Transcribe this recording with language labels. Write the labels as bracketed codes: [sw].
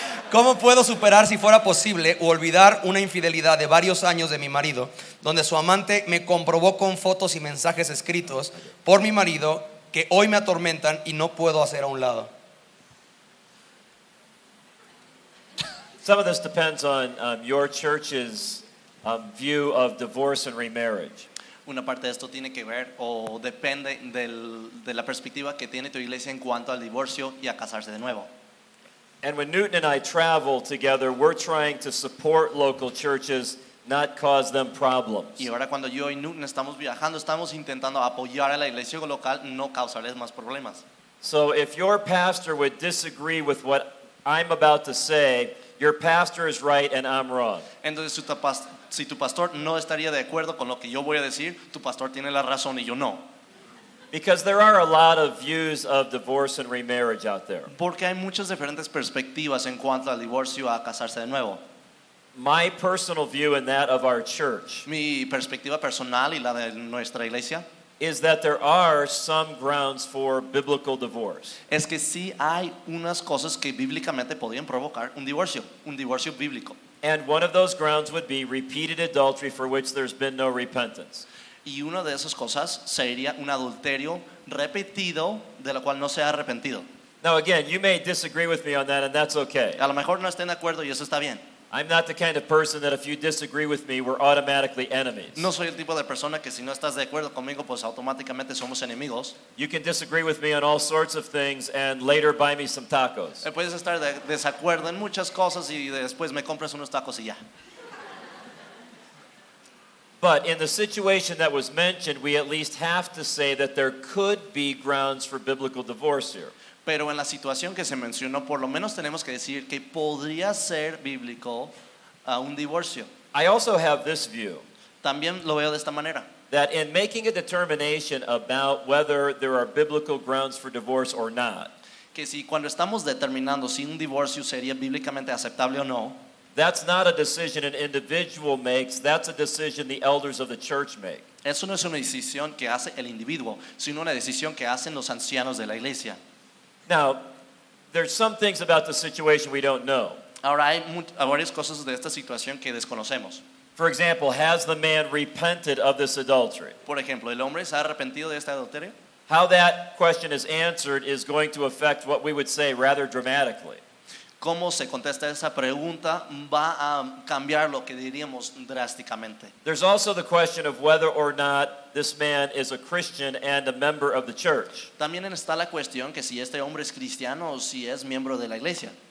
[es] ¿Cómo puedo superar, si fuera posible, o olvidar una infidelidad de varios años de mi marido, donde su amante me comprobó con fotos y mensajes escritos por mi marido que hoy me atormentan y no puedo hacer a un lado? [en] Some of this depends on your church's view of divorce and remarriage. [es] Una parte de esto tiene que ver o depende de la perspectiva que tiene tu iglesia en cuanto al divorcio y a casarse de nuevo. [en] And when Newton and I travel together, we're trying to support local churches, not cause them problems. [es] Y ahora cuando yo y Newton estamos viajando, estamos intentando apoyar a la iglesia local, no causarles más problemas. [en] So if your pastor would disagree with what I'm about to say, your pastor is right and I'm wrong. [es] Entonces si tu pastor no estaría de acuerdo con lo que yo voy a decir, tu pastor tiene la razón y yo no. [en] Because there are a lot of views of divorce and remarriage out there. [es] Porque hay muchas diferentes perspectivas en cuanto al divorcio a casarse de nuevo. [en] My personal view and that of our church. [es] Mi perspectiva personal y la de nuestra iglesia. [en] Is that there are some grounds for biblical divorce. [es] Es que sí hay unas cosas que bíblicamente podrían provocar un divorcio bíblico. [en] And one of those grounds would be repeated adultery for which there's been no repentance. [es] Y una de esas cosas sería un adulterio repetido de la cual no se ha arrepentido. [en] Now again, you may disagree with me on that and that's okay. [es] A lo mejor no estén de acuerdo y eso está bien. [en] I'm not the kind of person that if you disagree with me, we're automatically enemies. [es] No soy el tipo de persona que si no estás de acuerdo conmigo, pues automáticamente somos enemigos. [en] You can disagree with me on all sorts of things and later buy me some tacos. [es] Puedes estar de desacuerdo en muchas cosas y después me compras unos tacos y ya. [en] But in the situation that was mentioned, we at least have to say that there could be grounds for biblical divorce here. [es] Pero en la situación que se mencionó, por lo menos tenemos que decir que podría ser bíblico un divorcio. [en] I also have this view. [es] También lo veo de esta manera. [en] That in making a determination about whether there are biblical grounds for divorce or not. [es] Que si cuando estamos determinando si un divorcio sería bíblicamente aceptable o no. [en] That's not a decision an individual makes. That's a decision the elders of the church make. [es] Eso no es una decisión que hace el individuo, sino una decisión que hacen los ancianos de la iglesia. [en] Now, there's some things about the situation we don't know. [es] Ahora hay varias cosas de esta situación que desconocemos. [en] For example, has the man repented of this adultery? [es] Por ejemplo, ¿el hombre se ha arrepentido de esta adulterio? [en] How that question is answered is going to affect what we would say rather dramatically. [es] ¿Cómo se contesta esa pregunta va a cambiar lo que diríamos drásticamente? [en] There's also the question of whether or not this man is a Christian and a member of the church. [es] También está la cuestión que si este hombre es cristiano o si es miembro de la iglesia.